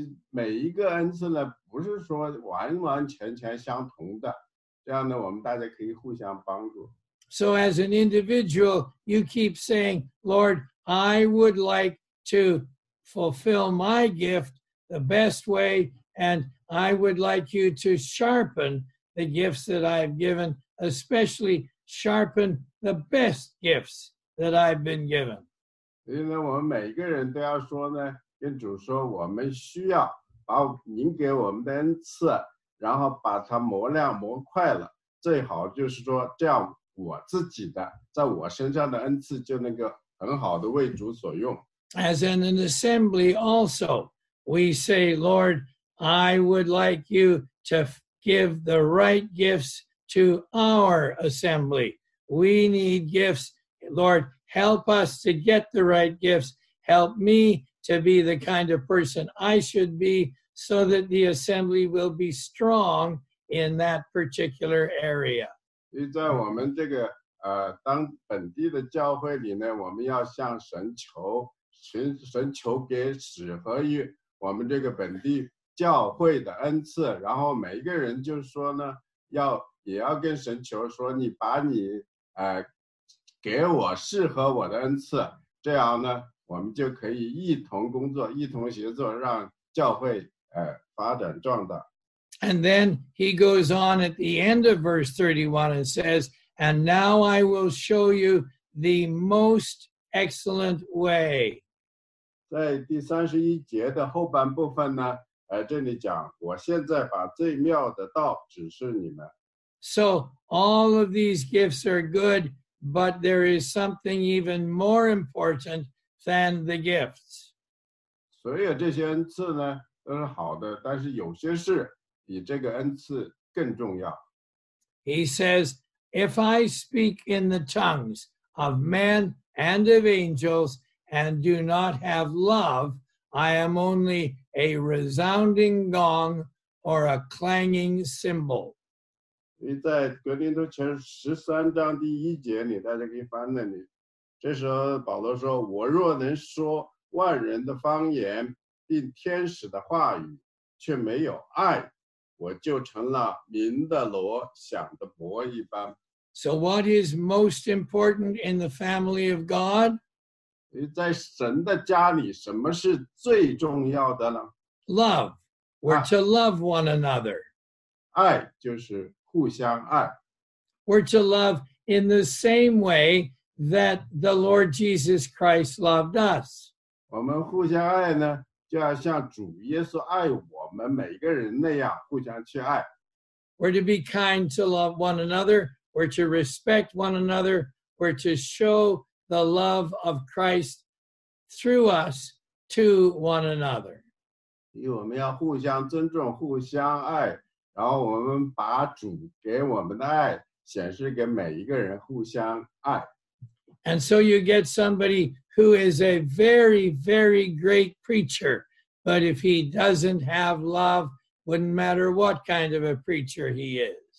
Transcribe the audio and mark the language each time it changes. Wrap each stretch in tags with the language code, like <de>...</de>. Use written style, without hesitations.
<zh>每一个恩赐呢，不是说完完全全相同的，这样呢，我们大家可以互相帮助。</zh> <en>So as an individual, you keep saying, Lord, I would like to fulfill my gift the best way, and I would like you to sharpen the gifts that I've given, especially sharpen the best gifts that I've been given.</en> <zh>所以呢，我们每个人都要说呢，跟主说，我们需要把您给我们的恩赐，然后把它磨亮磨快了，最好就是说这样。我自己的在我身上的恩赐就能够很好的为主所用。</zh> <en>As in an assembly also, we say, Lord, I would like you to give the right gifts to our assembly. We need gifts. Lord, help us to get the right gifts. Help me to be the kind of person I should be so that the assembly will be strong in that particular area.</en> <zh>因为在我们这个当本地的教会里呢，我们要向神求，神求给适合于我们这个本地教会的恩赐，然后每一个人就说呢，也要跟神求说，你把你给我适合我的恩赐，这样呢，我们就可以一同工作，一同协作，让教会发展壮大。</zh> <en>And then he goes on at the end of verse 31 and says, and now I will show you the most excellent way.</en> <zh>在第三十一节的后半部分呢，这里讲，我现在把最妙的道指示你们。</zh> <en>So all of these gifts are good, but there is something even more important than the gifts.</en> <zh>所有这些恩赐呢，都是好的，但是有些事比这个恩赐更重要。</zh> <en>He says, if I speak in the tongues of men and of angels and do not have love, I am only a resounding gong or a clanging cymbal.</en> <zh>在格林多前十三章第一节里，大家可以翻那里。这时候保罗说，我若能说万人的方言并天使的话语，却没有爱，我就成了鸣的锣响的钹一般。</zh> <en>So what is most important in the family of God?</en> <zh>在神的家里什么是最重要的呢？</zh> <en>Love. We're to love one another.</en> <zh>爱就是互相爱。</zh> <en>We're to love in the same way that the Lord Jesus Christ loved us.</en> <zh>我们互相爱呢，就要像主耶稣爱我们每个人那样互相去爱。</zh> <en>We're to be kind to love one another. We're to respect one another. We're to show the love of Christ through us to one another.</en> <zh>因为我们要互相尊重，互相爱，然后我们把主给我们的爱显示给每一个人，互相爱。</zh> <en>And so you get somebody who is a very, very great preacher, but if he doesn't have love, wouldn't matter what kind of a preacher he is.</en>